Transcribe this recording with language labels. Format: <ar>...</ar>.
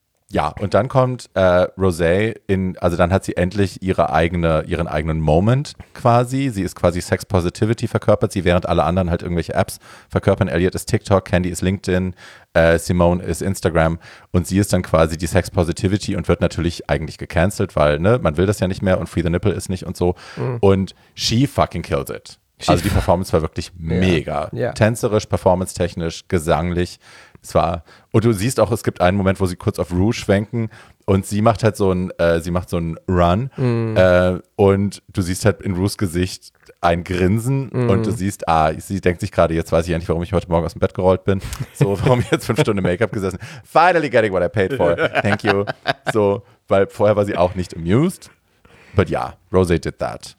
<de>Ja, und dann kommt Rosé in, also dann hat sie endlich ihren eigenen Moment quasi. Sie ist quasi Sex Positivity verkörpert, sie während alle anderen halt irgendwelche Apps verkörpern. Elliot ist TikTok, Candy ist LinkedIn, Simone ist Instagram und sie ist dann quasi die Sex Positivity und wird natürlich eigentlich gecancelt, weil ne, man will das ja nicht mehr und Free the Nipple ist nicht und so.</de> <en>Und she fucking kills it.</en> <de>Also die Performance war wirklich mega. Tänzerisch, performancetechnisch, gesanglich. Und du siehst auch, es gibt einen Moment, wo sie kurz auf Rue schwenken und sie macht halt so einen Run und du siehst halt in Rues Gesicht ein Grinsen und du siehst, sie denkt sich gerade, jetzt weiß ich eigentlich, warum ich heute Morgen aus dem Bett gerollt bin, so, warum ich jetzt 5 Stunden Make-up gesessen,</de> <en>finally getting what I paid for, thank you,</en> <de>so, weil vorher war sie auch nicht amused,</de> <en>but yeah, Rosé did that.</en>